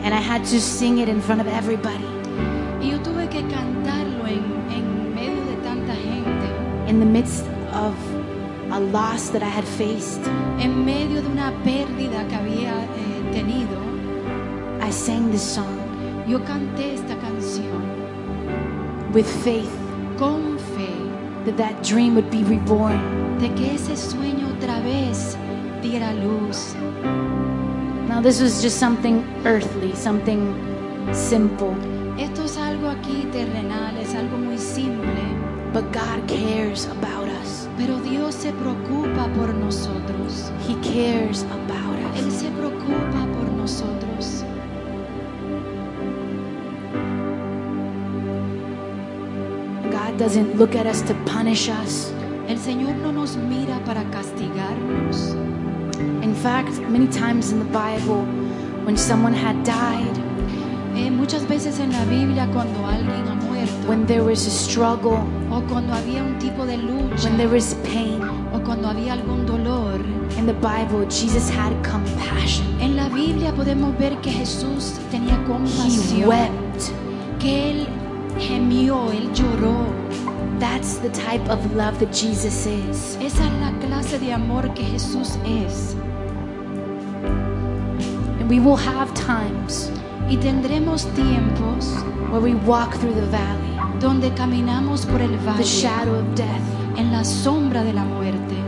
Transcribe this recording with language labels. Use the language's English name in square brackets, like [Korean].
[English] And I had to sing it in front of everybody. [Spanish] Y yo tuve que cantarlo en medio de tanta gente. [English] In the midst of a loss that I had faced. [Spanish] En medio de una pérdida que había tenido. [English] I sang this song. [Spanish] Yo canté esta canción. [English] With faith. [Spanish] Con fe. [English] That dream would be reborn. [Spanish] De que ese sueño otra vez diera luz. [English] Now this was just something earthly, something simple. [Spanish] Esto es algo aquí terrenal, es algo muy simple. [English] But God cares about us. [Spanish] Pero Dios se preocupa por nosotros. [English] He cares about us. [Spanish] Él se preocupa por nosotros. [English] God doesn't look at us to punish us. [Spanish] El Señor no nos mira para castigarnos. [English] In fact, many times in the Bible, when someone had died, [Spanish] muchas veces en la Biblia cuando alguien ha muerto, [English] when there was a struggle, [Spanish] o cuando había un tipo de lucha, [English] when there was pain, [Spanish] o cuando había algún dolor, [English] in the Bible, Jesus had compassion. [Spanish] En la Biblia podemos ver que Jesús tenía compasión. [English] He wept. [Spanish] Que él gemió, él lloró. [English] That's the type of love that Jesus is. [Spanish] Esa es la clase de amor que Jesús es. [English] And we will have times. [Spanish] Y tendremos tiempos [English] where we walk through the valley, [Spanish] donde caminamos por el valle, [English] the shadow of death, [Spanish] en la sombra de la muerte.